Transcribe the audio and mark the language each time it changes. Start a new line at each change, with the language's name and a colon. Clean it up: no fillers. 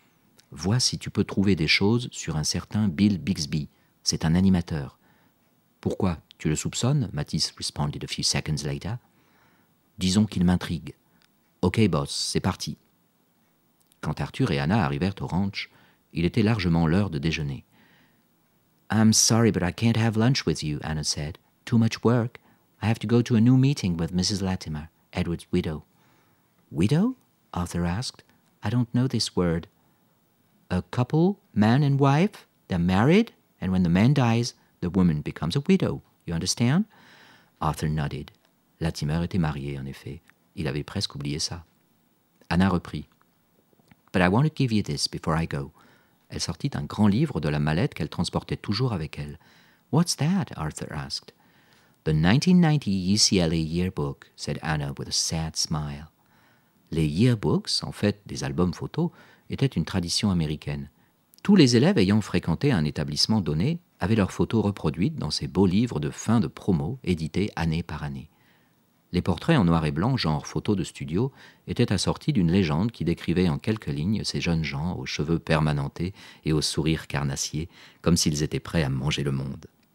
French: « Vois si tu peux trouver des choses sur un certain Bill Bixby. C'est un animateur. »« Pourquoi ? Tu le soupçonnes ?»
English: Mathis responded a few seconds later.
French: « Disons qu'il m'intrigue. »« Ok, boss, c'est parti. » Quand Arthur et Anna arrivèrent au ranch, il était largement l'heure de déjeuner.
English: « I'm sorry, but I can't have lunch with you, » Anna said. « Too much work. I have to go to a new meeting with Mrs. Latimer, Edward's widow. »« Widow ?» Arthur asked. « I don't know this word. » A couple, man and wife, they're married, and when the man dies, the woman becomes a widow. You understand? Arthur nodded.
French: Latimer était marié, en effet. Il avait presque oublié ça. Anna reprit.
English: But I want to give you this before I go.
French: Elle sortit un grand livre de la mallette qu'elle transportait toujours avec elle.
English: What's that? Arthur asked. The 1990 UCLA yearbook, said Anna with a sad smile.
French: Les yearbooks, en fait, des albums photos, était une tradition américaine. Tous les élèves ayant fréquenté un établissement donné avaient leurs photos reproduites dans ces beaux livres de fin de promo édités année par année. Les portraits en noir et blanc, genre photos de studio, étaient assortis d'une légende qui décrivait en quelques lignes ces jeunes gens aux cheveux permanentés et aux sourires carnassiers, comme s'ils étaient prêts à manger le monde.